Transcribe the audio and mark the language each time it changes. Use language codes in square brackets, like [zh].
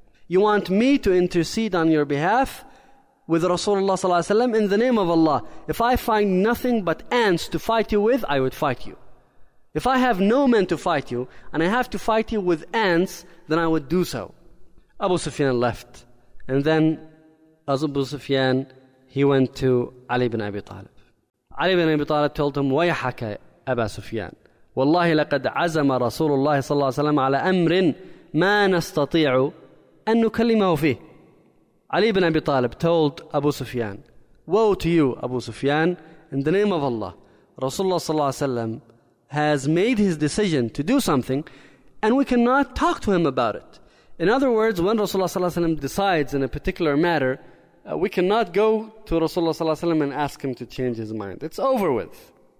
[en] You want me to intercede on your behalf with Rasulullah sallallahu alayhi wa sallam, in the name of Allah, if I find nothing but ants to fight you with, I would fight you. If I have no men to fight you, and I have to fight you with ants, then I would do so. Abu Sufyan left, And then Abu Sufyan, he went to Ali ibn Abi Talib. [ar] Ali ibn Abi Talib told him, وَيَحَكَ أَبَا سُفْيَانَ وَاللَّهِ لَقَدْ عَزَمَ رَسُولُ اللَّهِ صَلَّى اللَّهِ وَسَلَّمَ عَلَى أَمْرٍ مَا نَسْتَطِيعُ أَنْ نُكَلِّمَهُ فِيهِ. [en] Ali ibn Abi Talib told Abu Sufyan, woe to you, Abu Sufyan, in the name of Allah, Rasulullah صلى الله عليه وسلم has made his decision to do something and we cannot talk to him about it. In other words, when Rasulullah صلى الله عليه وسلم decides in a particular matter, we cannot go to Rasulullah صلى الله عليه وسلم and ask him to change his mind. It's over with.